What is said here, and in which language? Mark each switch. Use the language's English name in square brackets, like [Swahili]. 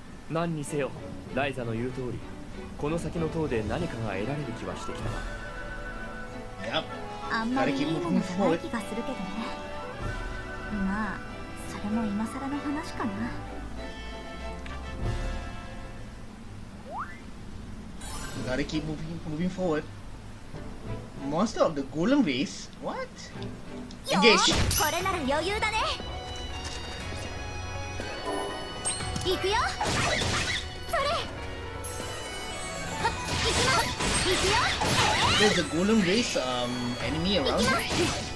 [Japanese] 何にせよライザの言う通りこの先の塔で何かが得られる気はしてきた [English] Yep. [Japanese] あんまりいいものじゃない気がするけどねまあそれも今更の話かな [English] We gotta keep moving forward Monster of the Golem Race? What? Engage! [Japanese] これなら余裕だね行くよそれ行きます [English] There's a golem race, enemy around here.